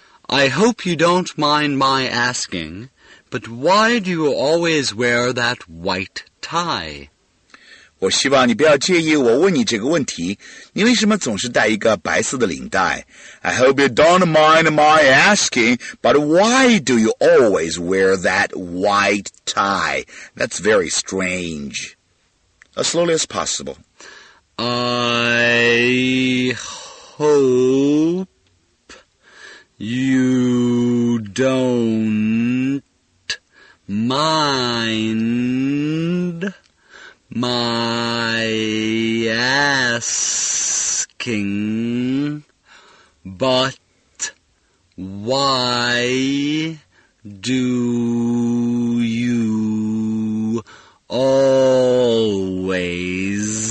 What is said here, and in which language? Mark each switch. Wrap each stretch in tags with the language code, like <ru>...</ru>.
<en>I hope you don't mind my asking, but why do you always wear that white tie?</en> <zh>我希望你不要介意我问你这个问题。你为什么总是戴一个白色的领带?</zh> <en>I hope you don't mind my asking, but why do you always wear that white tie? That's very strange. As slowly as possible. I hope you don't mind my asking, but why do you always...</en>